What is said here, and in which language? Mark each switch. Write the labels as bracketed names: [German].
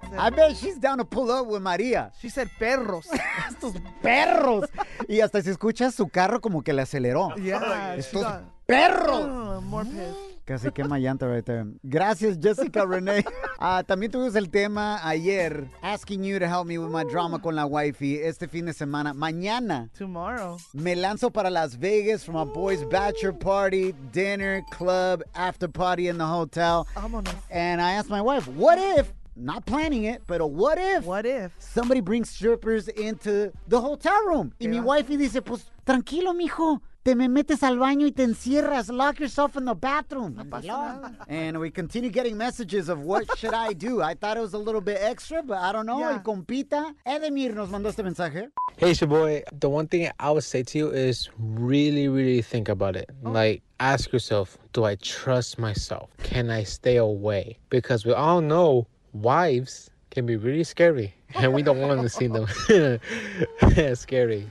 [English] I bet she's down to pull up with Maria. She said perros. [Spanish] Estos perros. Y hasta si escuchas su carro como que le aceleró. [English] Yeah. [Spanish] Estos perros. [English] More pissed. [Spanish] Casi quema llanta [English] right there. [Spanish] Gracias, Jessica Renee. También tuvimos el tema ayer. [English] Asking you to help me with my drama [Spanish] con la wifey. Este fin de semana. Mañana. [English] Tomorrow. [Spanish] Me lanzo para [English] Las Vegas for my boys' bachelor party, dinner, club, after party in the hotel. [Spanish] Vámonos. [English] And I asked my wife, what if, not planning it, but what if somebody brings strippers into the hotel room? [Spanish] Y mi wifey dice, pues, tranquilo, mijo. Te me metes al baño y te encierras. [English] Lock yourself in the bathroom. [Spanish] No pasa nada. [English] And we continue getting messages of what should I do? I thought it was a little bit extra, but I don't know. [Spanish] Yeah. El compita Edemir nos mandó este mensaje. [English] Hey, Shaboy. The one thing I would say to you is really, really think about it. Oh. Like, ask yourself, do I trust myself? Can I stay away? Because we all know wives can be really scary. And we don't want to see them. Scary.